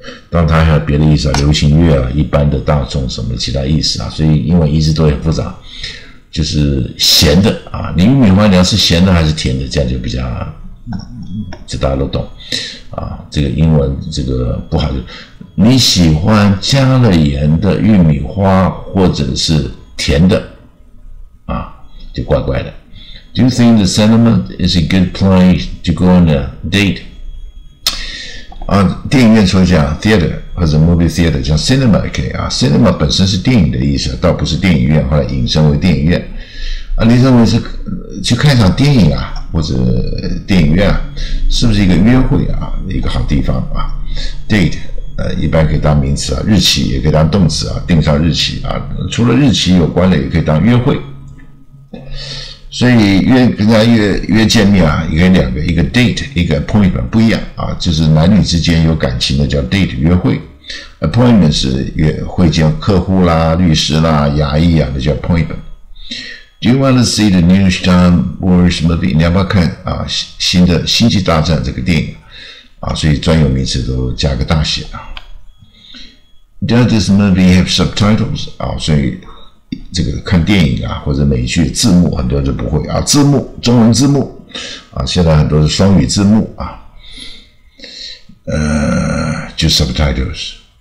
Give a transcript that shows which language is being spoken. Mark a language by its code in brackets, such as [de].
[zh] 当然它还有别的意思啊，流行乐啊，一般的大众什么其他意思啊，所以英文一直都很复杂，就是咸的啊，你玉米花你要是咸的还是甜的，这样就比较，这大家都懂啊，这个英文这个不好就，你喜欢加了盐的玉米花或者是甜的啊，就怪怪的。 [en] Do you think the cinema is a good place to go on a date? [zh] 啊，电影院说讲 theater 或者 movie theater， 像 cinema 也可以啊。cinema 本身是电影的意思，倒不是电影院，后来引申为电影院。啊，你认为是去看一场电影啊，或者电影院啊，是不是一个约会啊，一个好地方啊 ？Date， 一般可以当名词啊，日期也可以当动词啊，定上日期啊，除了日期有关的，也可以当约会。所以约跟人家约见面啊，一个两个，一个 date， 一个 appointment 不一样啊，就是男女之间有感情的叫 date 约会。 appointment 是约会见客户啦、律师啦、牙医啊，那叫 appointment。 [en] Do you want to see the new Star Wars movie？ [zh] 你要不要看啊？新的《星际大战》这个电影啊，所以专有名词都加个大写啊。 [en] Does this movie have subtitles？ [zh] 啊，所以这个看电影啊或者美剧字幕很多人就不会啊，字幕中文字幕啊，现在很多是双语字幕啊，就 subtitles。